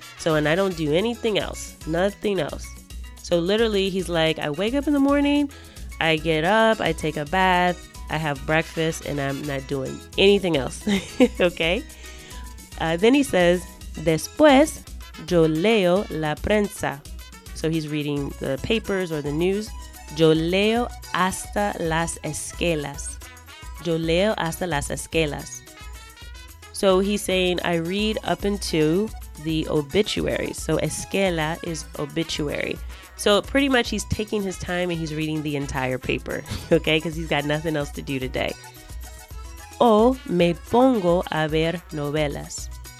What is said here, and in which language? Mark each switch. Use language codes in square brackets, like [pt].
[en] So, and I don't do anything else, nothing else. So literally, he's like, I wake up in the morning, I get up, I take a bath, I have breakfast, and I'm not doing anything else, okay? Then he says, [es] después yo leo la prensa. [en] So he's reading the papers or the news. [es] Yo leo hasta las esquelas. Yo leo hasta las esquelas. [en] So he's saying, I read up into the obituaries. So esquela is obituary. So pretty much he's taking his time and he's reading the entire paper, okay? Because he's got nothing else to do today. [es] O me pongo a ver novelas.